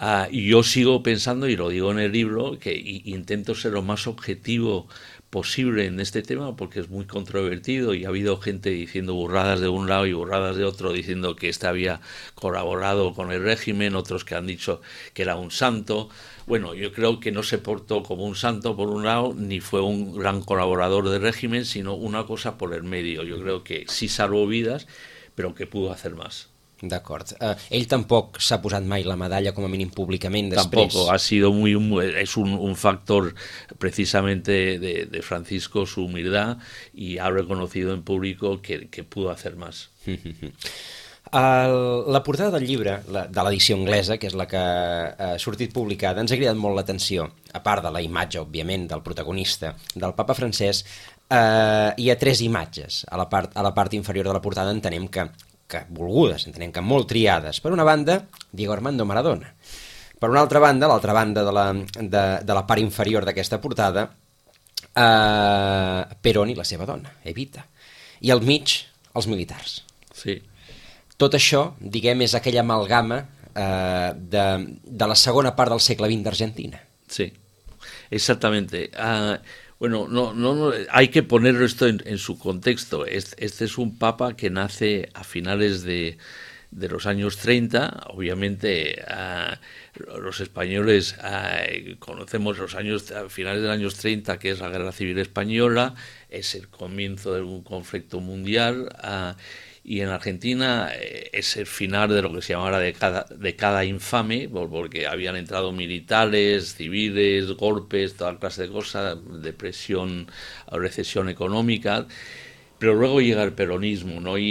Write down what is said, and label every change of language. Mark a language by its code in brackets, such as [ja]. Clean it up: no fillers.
[es] Y yo sigo pensando, y lo digo en el libro, que intento ser lo más objetivo posible en este tema, porque es muy controvertido y ha habido gente diciendo burradas de un lado y burradas de otro, diciendo que este había colaborado con el régimen, otros que han dicho que era un santo. Bueno, yo creo que no se portó como un santo por un lado, ni fue un gran colaborador del régimen, sino una cosa por el medio. Yo creo que sí salvó vidas, pero que pudo hacer más. [ca] D'acord. Ell tampoc s'ha posat mai la medalla, com a mínim públicament, després. [es] Tampoc, ha sido muy es un factor precisamente de Francisco, su humildad, y ha reconocido en público que pudo hacer más. [ca] La portada del llibre, de l'edició anglesa, que és la que ha sortit publicada, ens ha cridat molt l'atenció, a part de la imatge, òbviament, del protagonista, del papa francès. Hi ha tres imatges a la part inferior de la portada, entenem que volgudes, entenem que molt triades. Per una banda, Diego Armando Maradona. Per una altra banda, l'altra banda de la part inferior d'aquesta portada, Perón i la seva dona, Evita. I al mig, els militars. Sí. Tot això, diguem, és aquella amalgama de la segona part del segle XX d'Argentina. [es] Sí, exactamente. Bueno, no, hay que ponerlo esto en su contexto. Este es un papa que nace a finales de los años 30. Obviamente, los españoles conocemos los años a finales de los años 30, que es la Guerra Civil Española, es el comienzo de un conflicto mundial, y en Argentina es el final de lo que se llama la década infame, porque habían entrado militares, civiles, golpes, toda clase de cosas, depresión, recesión económica, pero luego llega el peronismo, ¿no?